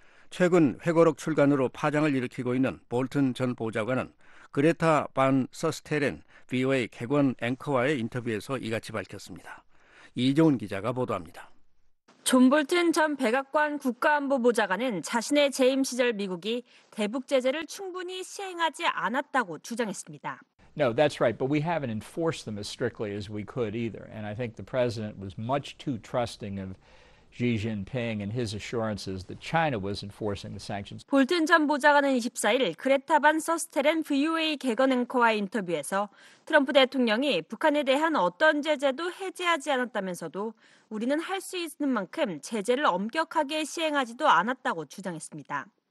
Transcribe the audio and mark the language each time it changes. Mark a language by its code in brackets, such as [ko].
[ko] 최근 회고록 출간으로 파장을 일으키고 있는 볼튼 전 보좌관은 그레타 반 서스테렌 VOA 객원 앵커와의 인터뷰에서 이같이 밝혔습니다. 이종훈 기자가 보도합니다. 존 볼튼 전 백악관 국가안보보좌관은 자신의 재임 시절 미국이 대북 제재를 충분히 시행하지 않았다고 주장했습니다. [en] No, that's right. But we haven't enforced them as strictly as we could either. And I think the president was much too trusting of Xi Jinping and his assurances that China was enforcing the sanctions. [ko] 볼튼 전 보좌관은 24일 그레타 반 서스테렌 VOA 객원 앵커와의 인터뷰에서 트럼프 대통령이 북한에 대한 어떤 제재도 해제하지 않았다면서도 우리는 할 수 있는 만큼 제재를 엄격하게 시행하지도 않았다고 주장했습니다.